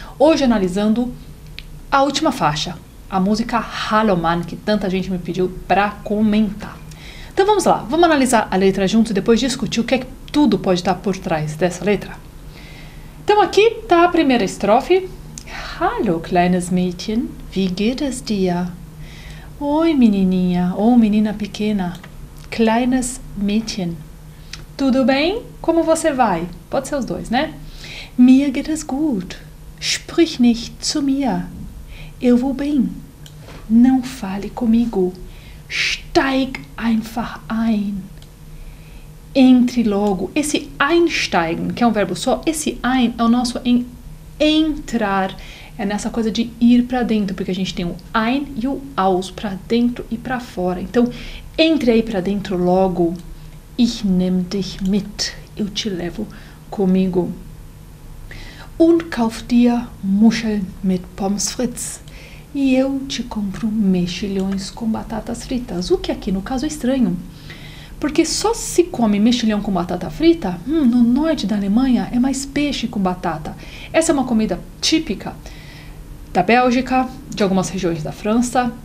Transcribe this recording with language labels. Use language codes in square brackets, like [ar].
[pt] Hoje analisando a última faixa, a música Hallomann, que tanta gente me pediu para comentar. Então vamos lá, vamos analisar a letra juntos e depois discutir o que é que tudo pode estar por trás dessa letra. Então aqui está a primeira estrofe. [de] Hallo, kleines Mädchen, wie geht es dir? [pt] Oi, menininha, ou menina pequena, [de] kleines Mädchen. [pt] Tudo bem? Como você vai? Pode ser os dois, né? [de] Mir geht es gut. Sprich nicht zu mir. [pt] Eu vou bem. Não fale comigo. [de] Steig einfach ein. [pt] Entre logo. Esse einsteigen, que é um verbo só, esse ein é o nosso entrar. É nessa coisa de ir para dentro, porque a gente tem o ein e o aus, para dentro e para fora. Então, entre aí para dentro logo. [de] Ich nehme dich mit. [pt] Eu te levo comigo. [de] Und kauf dir Muscheln mit Pommes frites. [pt] E eu te compro mexilhões com batatas fritas. O que aqui no caso é estranho. Porque só se come mexilhão com batata frita, no norte da Alemanha é mais peixe com batata. Essa é uma comida típica da Bélgica, de algumas regiões da França.